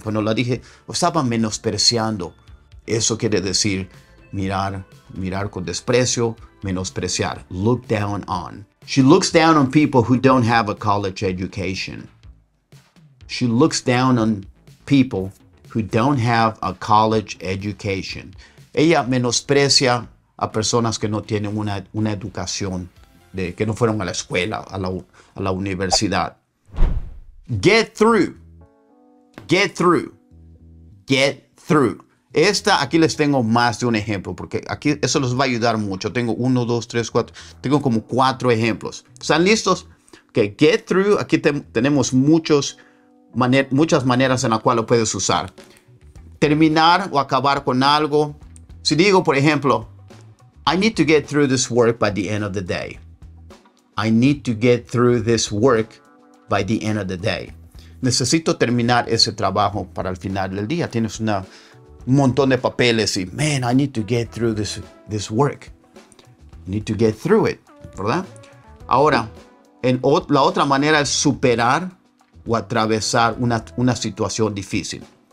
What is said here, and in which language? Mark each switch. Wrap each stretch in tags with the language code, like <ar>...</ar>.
<es>Cuando la dije, estaba menospreciando. Eso quiere decir mirar con desprecio, menospreciar.</es> <en>Look down on. She looks down on people who don't have a college education. She looks down on people who don't have a college education.</en> <es>Ella menosprecia a personas que no tienen una educación, que no fueron a la escuela, a la universidad. Get through. Get through. Get through. Esta, aquí les tengo más de un ejemplo, porque aquí eso les va a ayudar mucho. Tengo 1, 2, 3, 4. Tengo como 4 ejemplos. ¿Están listos? Okay, get through. Aquí tenemos muchas maneras en las cuales lo puedes usar. Terminar o acabar con algo. Si digo, por ejemplo,</es> <en>I need to get through this work by the end of the day. I need to get through this work by the end of the day.</en> <es>Necesito terminar ese trabajo para el final del día. Tienes una... un montón de papeles y,</es> <en>man, I need to get through this work. Need to get through it,</en> <es>¿verdad? Ahora, la otra manera es superar o atravesar una situación difícil.</es>